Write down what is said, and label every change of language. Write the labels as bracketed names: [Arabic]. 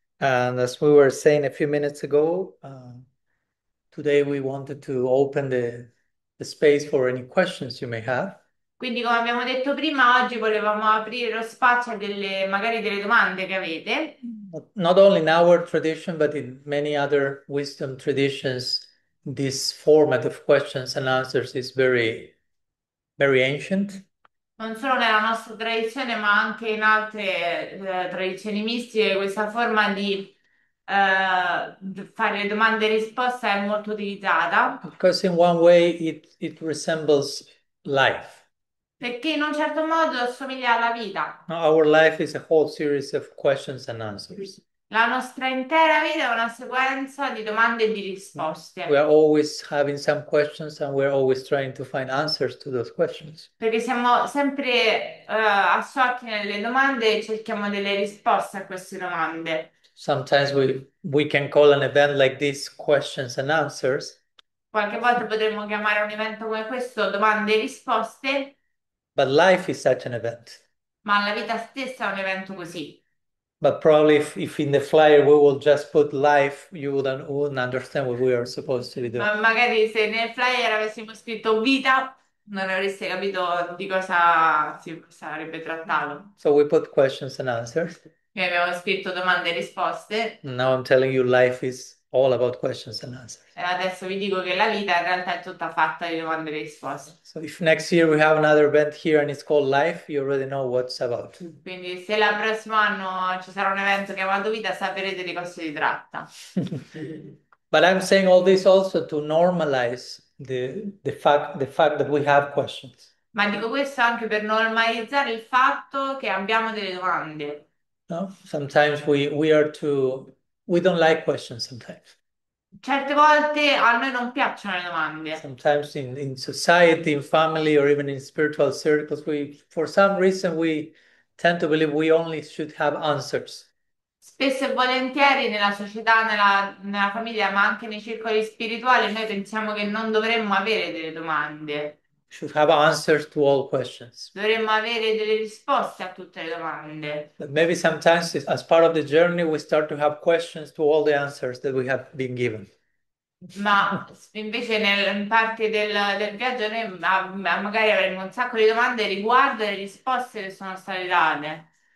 [English] And as we were saying a few minutes ago, today we wanted to open the space for any questions you may have. [Italian] Quindi, come abbiamo detto prima, oggi volevamo aprire lo spazio a delle, magari delle domande che [English] Not only in our tradition, but in many other wisdom traditions, this format of questions and answers is very, very ancient. [Italian] avete. Non solo nella nostra tradizione, ma anche in altre tradizioni mistiche, questa forma di fare domande e risposte è molto utilizzata. [English] Because in one way it resembles life. [Italian] Perché in un certo modo assomiglia alla vita. [English] Our life is a whole series of questions and answers. [Italian] La nostra intera vita è una sequenza di domande e di [English] We [Italian] risposte. [English] are always having some questions and we're always trying to find answers to those questions. [Italian] Perché siamo sempre assorti nelle domande e cerchiamo delle risposte a queste domande. [English] Sometimes we can call an event like this questions and answers. [Italian] Qualche volta potremmo chiamare un evento come questo domande e risposte. [English] But life is such an event. [Italian] Ma la vita stessa è un evento così. [English] But probably if in the flyer we will just put life, you wouldn't understand what we are supposed to do. [Italian] Ma magari se nel flyer avessimo scritto vita, non avreste capito di cosa si sarebbe trattato. [English] So we put questions and answers. [Italian] E abbiamo scritto domande e risposte. [English] Now I'm telling you life is all about questions and answers. [Italian] E adesso vi dico che la vita in realtà è tutta fatta di domande e risposte. [English] So if next year we have another event here and it's called Life, you already know what's about. [Italian] Quindi se la prossimo anno ci sarà un evento chiamato vita, saprete di cosa si tratta. [English] But I'm saying all this also to normalize the fact that we have questions. [Italian] Ma dico questo anche per normalizzare il fatto che abbiamo delle domande. [English] No? Sometimes we don't like questions sometimes. [Italian] Certe volte a noi non piacciono le domande. [English] Sometimes in society, in family, or even in spiritual circles, for some reason, we tend to believe we only should have answers. [Italian] Spesso e volentieri nella società, nella famiglia, ma anche nei circoli spirituali, noi pensiamo che non dovremmo avere delle domande. [English] Should have answers to all questions. [Italian] Dovremmo avere delle risposte a tutte le domande. [English] But maybe sometimes, as part of the journey, we start to have questions to all the answers that we have been given. [Italian] Ma invece in parte del viaggio noi magari avremo un sacco di domande riguardo le risposte che sono state date.